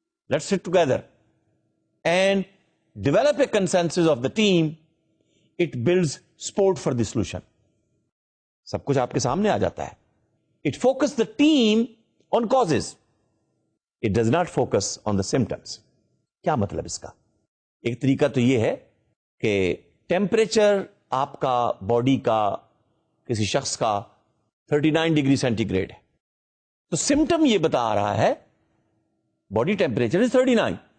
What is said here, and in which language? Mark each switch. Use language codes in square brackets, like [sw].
[en] Let's sit together and develop a consensus of the team. It builds support for the solution. [ur] سب کچھ آپ کے سامنے آ جاتا ہے. [en] It focus the team on causes, it does not focus on the symptoms. [ur] کیا مطلب اس کا؟ ایک طریقہ تو یہ ہے کہ ٹیمپریچر آپ کا باڈی کا کسی شخص کا 39 ڈگری سینٹی گریڈ ہے, تو سمٹم یہ بتا رہا ہے [en] Body temperature is 39.